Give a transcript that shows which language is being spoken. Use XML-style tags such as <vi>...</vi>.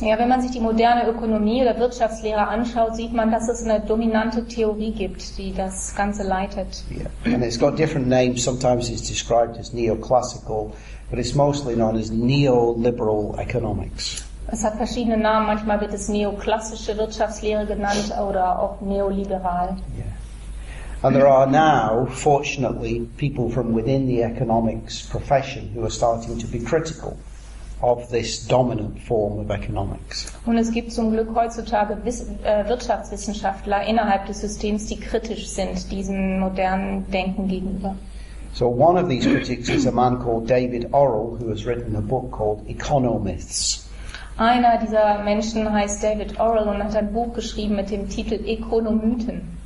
<de>Ja, wenn man sich die moderne Ökonomie oder Wirtschaftslehre anschaut, sieht man, dass es eine dominante Theorie gibt, die das Ganze leitet.</de> <en>Yeah. And it's got different names. Sometimes it's described as neoclassical, but it's mostly known as neoliberal economics.</en> <de>Es hat verschiedene Namen. Manchmal wird es neoklassische Wirtschaftslehre genannt oder auch neoliberal.</de> <en>Yeah. And there are now, fortunately, people from within the economics profession who are starting to be critical of this dominant form of economics.</en> <de>Und es gibt zum Glück heutzutage Wirtschaftswissenschaftler innerhalb des Systems, die kritisch sind diesem modernen Denken gegenüber.</de> <en>So one of these critics is a man called David Orrell, who has written a book called Economyths.</en> <de>Einer dieser Menschen heißt David Orrell und hat ein Buch geschrieben mit dem Titel Ökonomythen.</de>